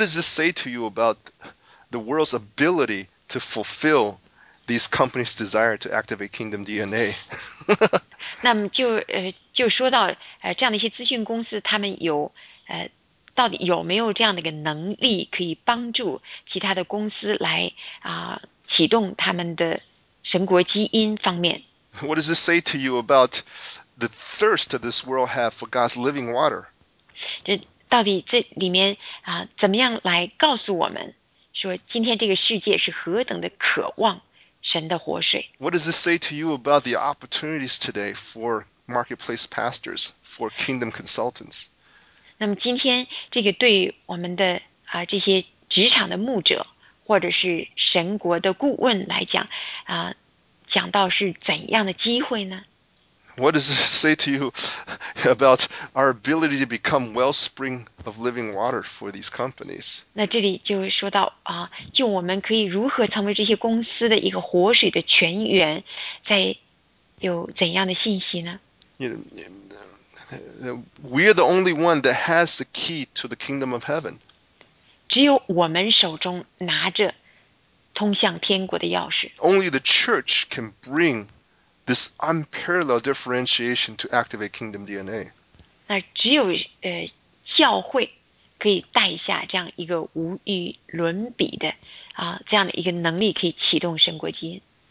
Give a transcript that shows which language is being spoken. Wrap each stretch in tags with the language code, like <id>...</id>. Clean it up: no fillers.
<en>does this say to you about the world's ability to fulfill these companies' desire to activate kingdom DNA?</en> <zh>那么就说到这样的一些咨询公司，他们有到底有没有这样的一个能力可以帮助其他的公司来启动他们的神国基因方面？</zh> <en>What does this say to you about the thirst that this world have for God's living water?</en> <zh>这到底这里面怎么样来告诉我们说今天这个世界是何等的渴望神的活水？</zh> <en>What does this say to you about the opportunities today for marketplace pastors, for kingdom consultants?</en> <zh>那么今天这个对我们的这些职场的牧者或者是神国的顾问来讲，讲到是怎样的机会呢？</zh> <en>What does it say to you about our ability to become wellspring of living water for these companies?</en> <zh>那这里就说到，就我们可以如何成为这些公司的一个活水的泉源，在有怎样的信息呢？</zh> <en>We are the only one that has the key to the kingdom of heaven.</en> <zh>只有我们手中拿着通向天国的钥匙。</zh> <en>Only the church can bring this unparalleled differentiation to activate kingdom DNA.</en> <zh>那只有教会可以带下这样一个无与伦比的啊这样的一个能力，可以启动神国基因。</zh>